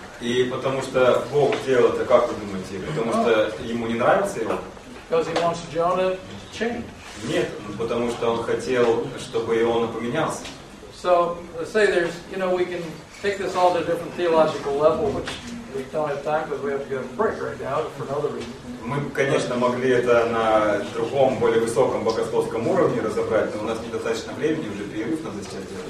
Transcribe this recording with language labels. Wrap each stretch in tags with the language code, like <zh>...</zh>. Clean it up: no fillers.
<ru>И потому что Бог сделал это, как вы думаете? Потому что ему не нравится его?</ru> <en>Because He wants Jonah to change.</en> <ru>Нет, потому что он хотел, чтобы Иона поменялся.</ru> <en>So, let's say there's, you know, we can take this all to a different theological level, which we don't have time because we have to get a break right now for another reason.</en> <ru>Мы, конечно, могли это на другом, более высоком богословском уровне разобрать, но у нас недостаточно времени, уже перерыв надо сейчас</ru>